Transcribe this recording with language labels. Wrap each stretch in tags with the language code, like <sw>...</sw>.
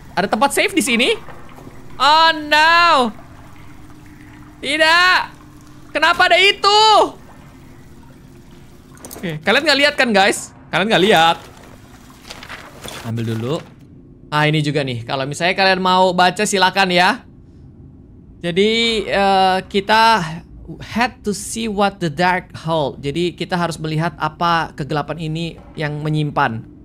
<id>Ada tempat safe di sini?</id> <en>Oh no.</en> <id>Tidak. Kenapa ada itu? Oke, kalian gak lihat kan guys? Kalian gak lihat. Ambil dulu. Ah ini juga nih, kalau misalnya kalian mau baca silakan ya. Jadi kita</id> <en>had to see what the dark hold.</en> <id>Jadi kita harus melihat apa kegelapan ini yang menyimpan.</id>